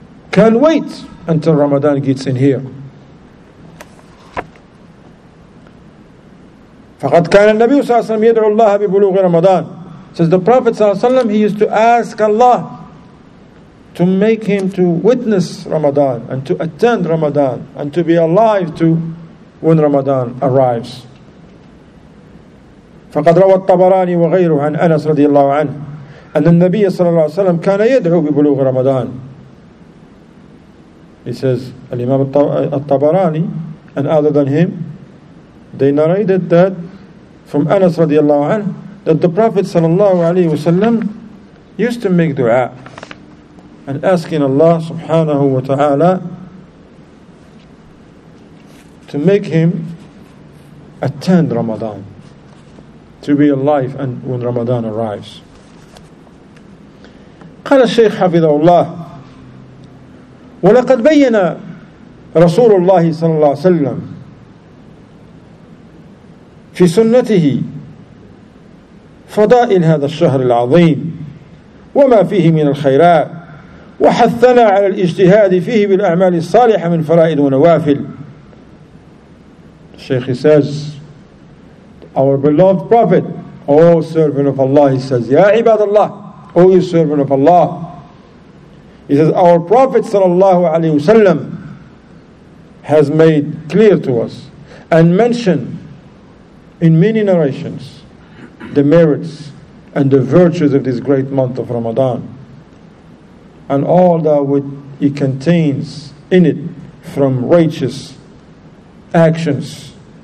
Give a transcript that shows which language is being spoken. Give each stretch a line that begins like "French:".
English: Can wait until Ramadan gets in here.
Arabic: فقد كان النبي صلى الله عليه وسلم يدعو الله ببلوغ رمضان.
English: Says the Prophet
Arabic: صلى الله عليه وسلم,
English: he used to ask Allah to make him to witness Ramadan and to attend Ramadan and to be alive to when Ramadan arrives.
Arabic: فقد روى الطبراني وغيره عن أنس رضي الله عنه أن النبي صلى الله عليه وسلم كان يدعو ببلوغ رمضان.
English: He says الإمام الطبراني and other than him, they narrated that from Anas radiallahu anh that the Prophet sallallahu alayhi wa sallam used to make dua and asking Allah subhanahu wa ta'ala to make him attend Ramadan, to be alive and when Ramadan arrives.
Arabic: قال الشيخ حفظه الله ولقد بين رسول الله صلى الله عليه وسلم في سنته فضائل هذا الشهر العظيم وما فيه من الخيرات وحثنا على الاجتهاد فيه بالأعمال الصالحة من فرائض ونوافل.
English: الشيخ says, our beloved prophet, O servant of Allah, he says,
Arabic: يا عباد الله,
English: O you servant of Allah, he says, our prophet
Arabic: صلى الله عليه وسلم,
English: has made clear to us and mentioned in many narrations the merits and the virtues of this great month of Ramadan and all that it contains in it from righteous actions.